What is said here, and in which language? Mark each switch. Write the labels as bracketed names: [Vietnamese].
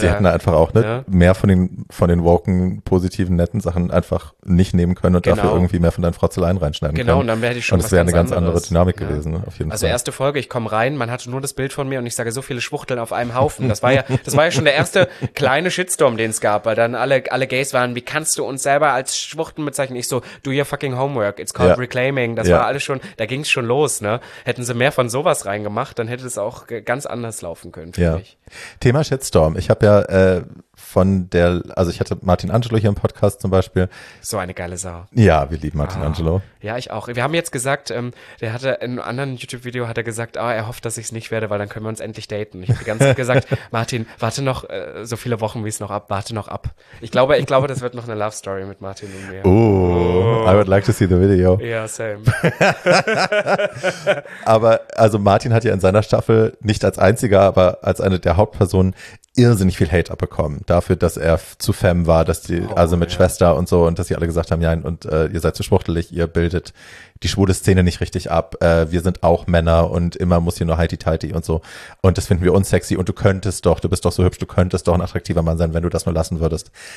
[German] sie hatten da einfach auch nicht mehr von den woken, positiven, netten Sachen einfach nicht nehmen können und dafür irgendwie mehr von deinen Frotzeleien reinschneiden genau, können. Genau, und dann hätte ich schon und was. Und es wäre ganz eine ganz anderes. Andere Dynamik gewesen, auf jeden Fall. Also erste Folge, ich komme rein, man hatte nur das Bild von mir und ich sage so viele Schwuchteln auf einem Haufen. Das war ja schon der erste kleine Shitstorm, den es gab, weil dann alle Gays waren, wie kannst du uns selber als Schwuchteln bezeichnen? Ich so, [English] do your fucking homework, it's called reclaiming. [German] Das war alles schon, da ging es schon los, ne? Hätten sie mehr von sowas reingemacht, dann hätte es auch ganz anders laufen können, finde ich. Thema Shitstorm. Ich habe ja ich hatte Martin Angelo hier im Podcast zum Beispiel. So eine geile Sau. Ja, wir lieben Martin Angelo. Ja, ich auch. Wir haben jetzt gesagt, der hatte in einem anderen YouTube-Video hat er gesagt, er hofft, dass ich es nicht werde, weil dann können wir uns endlich daten. Ich habe die ganze Zeit gesagt, Martin, warte noch so viele Wochen, wie es noch ab, warte noch ab. Ich glaube, das wird noch eine Love Story mit Martin und mir. [English] I would like to see the video. [German] Ja, same. Aber also Martin hat ja in seiner Staffel nicht als einziger, aber als eine der Hauptpersonen irrsinnig viel Hate abbekommen dafür, dass er zu femme war, dass die, Schwester und so, und dass sie alle gesagt haben, ja, und ihr seid zu schwuchtelig, ihr bildet die schwule Szene nicht richtig ab, wir sind auch Männer und immer muss hier nur heiti-teiti und so, und das finden wir unsexy und du könntest doch, du bist doch so hübsch, du könntest doch ein attraktiver Mann sein, wenn du das nur lassen würdest.